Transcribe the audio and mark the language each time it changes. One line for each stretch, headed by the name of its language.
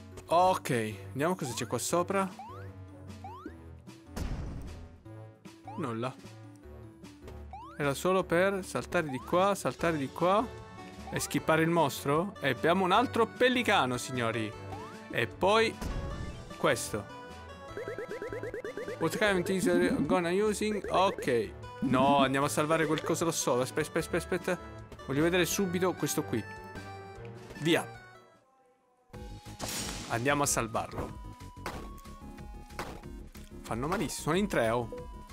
Italian: Ok, vediamo cosa c'è qua sopra. Nulla. Era solo per saltare di qua, saltare di qua. E skippare il mostro? E abbiamo un altro pellicano, signori. E poi... questo.
English: What kind of things are you gonna using?
Italian: Ok. No, andiamo a salvare quel coso da solo. Aspetta. Voglio vedere subito questo qui. Via. Andiamo a salvarlo. Fanno malissimo. Sono in tre, oh.